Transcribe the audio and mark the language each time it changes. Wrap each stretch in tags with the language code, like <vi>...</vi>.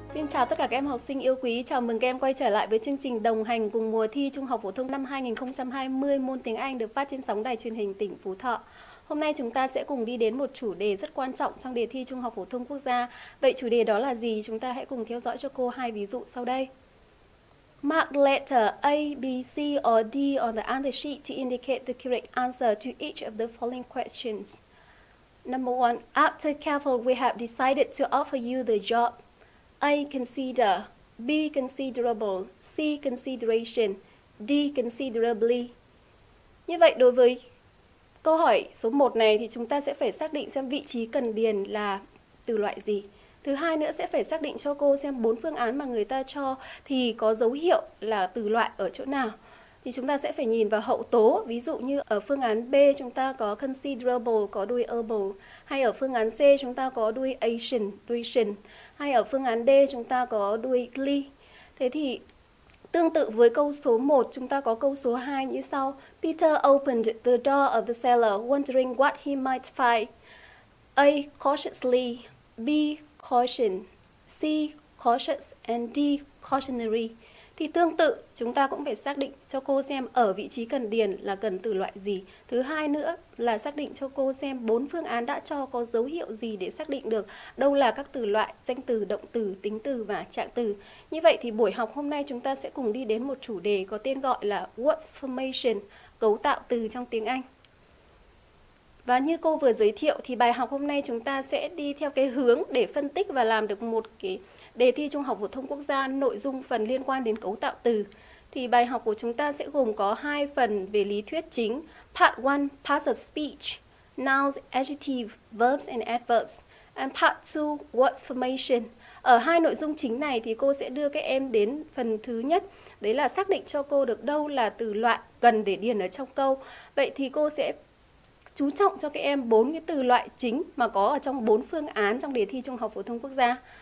<vi>chào tất cả các em học sinh yêu quý, chào mừng các em quay trở lại với chương trình đồng hành cùng mùa thi Trung học phổ thông năm 2020 môn tiếng Anh được phát trên sóng đài truyền hình tỉnh Phú Thọ. Hôm nay chúng ta sẽ cùng đi đến một chủ đề rất quan trọng trong đề thi Trung học phổ thông quốc gia. Vậy chủ đề đó là gì? Chúng ta hãy cùng theo dõi cho cô hai ví dụ sau đây.</vi> <en>Mark letter A, B, C or D on the answer sheet to indicate the correct answer to each of the following questions. Number one, after careful, we have decided to offer you the job. A, consider. B, considerable. C, consideration. D, considerably.</en> <vi>Như vậy, đối với câu hỏi số 1 này thì chúng ta sẽ phải xác định xem vị trí cần điền là từ loại gì. Thứ hai nữa, sẽ phải xác định cho cô xem 4 phương án mà người ta cho thì có dấu hiệu là từ loại ở chỗ nào. Thì chúng ta sẽ phải nhìn vào hậu tố, ví dụ như ở phương án B chúng ta có considerable, có đuôi able, hay ở phương án C chúng ta có đuôi ation, duration, hay ở phương án D chúng ta có đuôi ly. Thế thì tương tự với câu số 1, chúng ta có câu số 2 như sau.</vi> <en>Peter opened the door of the cellar, wondering what he might find. A, cautiously. B, caution. C, cautious. And D, cautionary.</en> <vi>Thì tương tự, chúng ta cũng phải xác định cho cô xem ở vị trí cần điền là cần từ loại gì. Thứ hai nữa là xác định cho cô xem 4 phương án đã cho có dấu hiệu gì để xác định được đâu là các từ loại, danh từ, động từ, tính từ và trạng từ. Như vậy thì buổi học hôm nay chúng ta sẽ cùng đi đến một chủ đề có tên gọi là Word Formation, cấu tạo từ trong tiếng Anh. Và như cô vừa giới thiệu thì bài học hôm nay chúng ta sẽ đi theo cái hướng để phân tích và làm được một cái đề thi Trung học phổ thông quốc gia nội dung phần liên quan đến cấu tạo từ. Thì bài học của chúng ta sẽ gồm có hai phần về lý thuyết chính.</vi> <en>Part 1, Parts of Speech, Nouns, Adjectives, Verbs and Adverbs. And Part 2, Word Formation.</en> <vi>Ở hai nội dung chính này thì cô sẽ đưa các em đến phần thứ nhất, đấy là xác định cho cô được đâu là từ loại cần để điền ở trong câu. Vậy thì cô sẽ chú trọng cho các em 4 cái từ loại chính mà có ở trong 4 phương án trong đề thi Trung học phổ thông quốc gia.</vi>